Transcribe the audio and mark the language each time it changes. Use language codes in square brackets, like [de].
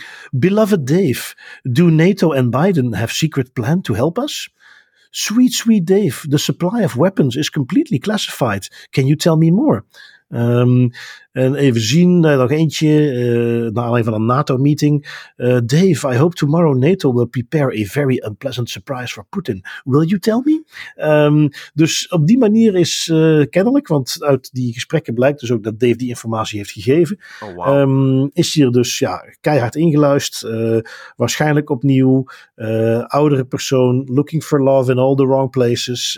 [en] Beloved Dave, do NATO and Biden have secret plan to help us? Sweet, sweet Dave, the supply of weapons is completely classified. Can you tell me more? [nl] En even zien, nog eentje, naar aanleiding van een NATO-meeting. [en] Dave, I hope tomorrow NATO will prepare a very unpleasant surprise for Putin. Will you tell me? [nl] Dus op die manier is kennelijk, want uit die gesprekken blijkt dus ook dat Dave die informatie heeft gegeven. Oh, wow. Is hier dus ja, keihard ingeluist, waarschijnlijk opnieuw. Oudere persoon, [en] looking for love in all the wrong places.